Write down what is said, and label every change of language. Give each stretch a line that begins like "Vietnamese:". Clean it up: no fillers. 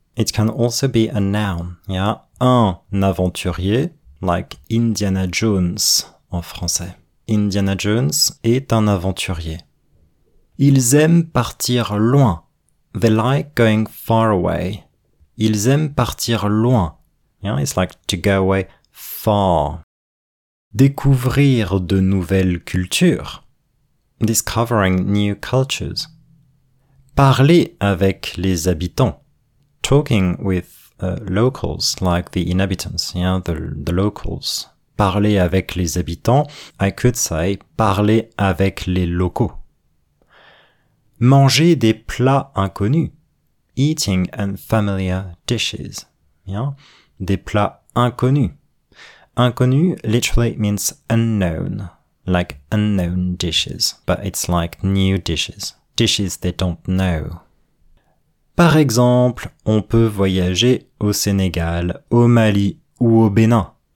English: It can also be a noun, yeah. Un aventurier, like Indiana Jones
French: en français. Indiana Jones est un aventurier. Ils aiment partir loin.
English: They like going far away.
French: Ils aiment partir loin,
English: yeah. It's like to go away far.
French: Découvrir de nouvelles cultures.
English: Discovering new cultures.
French: Parler avec les habitants.
English: Talking with locals, like the inhabitants, yeah, the locals.
French: Parler avec les habitants.
English: I could say
French: parler avec les locaux. Manger des plats inconnus.
English: Eating unfamiliar dishes. Yeah?
French: Des plats inconnus.
English: Inconnu literally means unknown, like unknown dishes, but it's like new dishes, dishes they don't know.
French: Par exemple, on peut voyager au Sénégal, au Mali ou au Bénin.